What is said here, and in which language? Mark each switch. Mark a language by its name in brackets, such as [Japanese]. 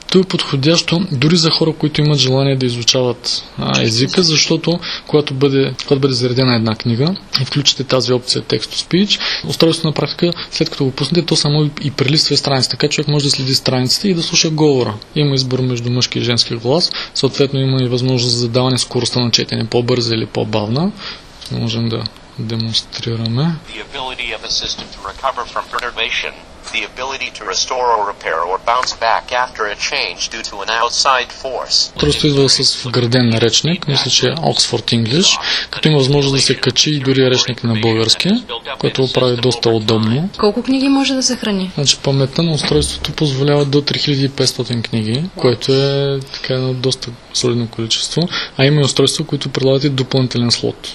[Bulgarian] То е подходящо дори за хора, които имат желание да изучават езика, защото когато бъде заредена една книга и включите тази опция Text-to-Speech, устройството на практика, след като го пуснете, то само и прелиства страниците. Така човек може да следи страниците и да слуша говора. Има избор между мъжки и женски глас. Съответно има и възможност за задаване скоростта на четене, по-бърза или по-бавна. Можем да демонстрираме. [English] The ability of a system to recover from perturbation. The ability to restore or repair or bounce back after a change due to an outside force. [Bulgarian] Просто идва с вграден речник, мисля, че е Oxford English, като има възможност да се качи и дори речник на български, което го прави доста удобно. Колко книги може да съхрани? Значи паметта на устройството позволява до 3500 книги, което е така едно доста солидно количество, а има и устройство, което предлагате допълнителен слот.